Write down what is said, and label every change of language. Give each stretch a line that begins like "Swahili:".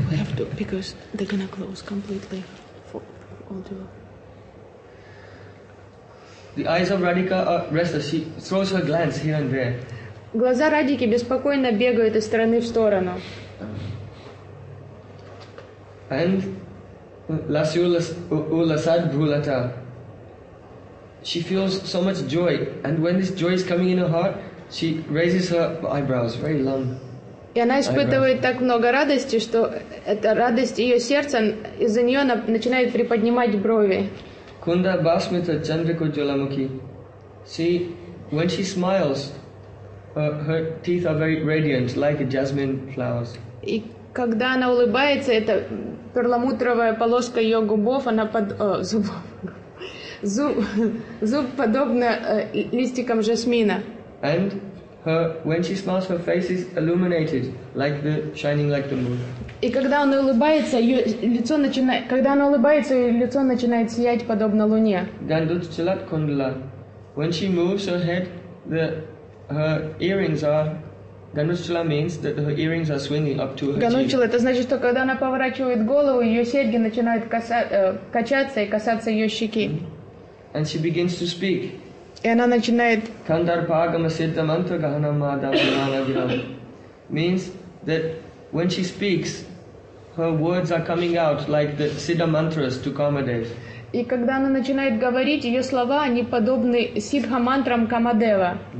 English: We have to, because they're gonna close completely for all the world. The eyes of Radhika are restless. She throws her glance here and there.
Russian: Глаза Радики беспокойно бегают из стороны в сторону.
Sanskrit: And Lasulasad Bhulata.
English: She feels so much joy, and when this joy is coming in her heart, she raises her eyebrows very long.
Russian: И она испытывает так много радости, что эта радость ее сердца из-за нее она начинает приподнимать брови.
Sanskrit: Kunda Basmita Chandrika Jolamukhi.
English: See, when she smiles, her teeth are very radiant, like jasmine flowers.
Russian: И когда она улыбается, эта перламутровая полоска ее губов, она под зуб подобна листикам жасмина.
English: And her, when she smiles, her face is illuminated, like the shining like the moon.
Russian: И когда она улыбается, ее лицо начинает сиять подобно луне.
Sanskrit: Gandut chalat kundala.
English: When she moves her head, her earrings are. Ganuchala means that her earrings are swinging up to her.
Russian: Ganuchala, это значит, что когда она поворачивает голову, ее серьги начинают качаться и касаться ее щеки.
English: And she begins to speak.
Russian: И она начинает.
Sanskrit: Kandar pagama siddha mantra gahana madhavana gilam.
English: Means that when she speaks, her words are coming out like the siddha mantras to Kamadev.
Russian: И когда она начинает говорить, ее слова они подобны сиддха мантрам Камадева.